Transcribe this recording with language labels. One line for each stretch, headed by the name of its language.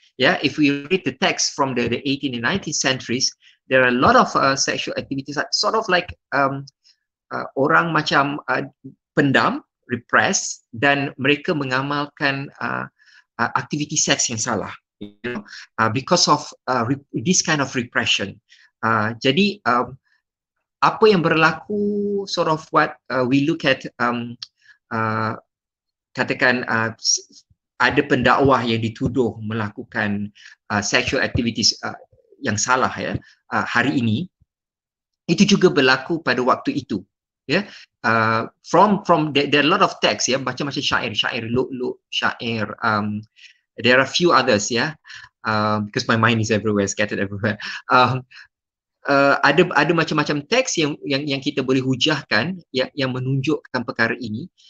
English: Yeah, if we read the text from the 18th and 19th centuries, there are a lot of sexual activities that sort of like
Malay: orang macam pendam,
English: repressed,
Malay: dan mereka mengamalkan aktiviti seks yang salah,
English: you know, because of this kind of repression.
Malay: Jadi apa yang berlaku,
English: sort of what we look at,
Malay: katakan ada pendakwah yang dituduh melakukan
English: sexual activities
Malay: yang salah ya, hari ini, itu juga berlaku pada waktu itu.
English: Yeah, from there are a lot of texts, yeah,
Malay: macam-macam syair,
English: look syair, there are a few others, yeah, because my mind is everywhere, scattered everywhere.
Malay: Ada macam-macam teks yang kita boleh hujahkan, yang menunjukkan perkara ini.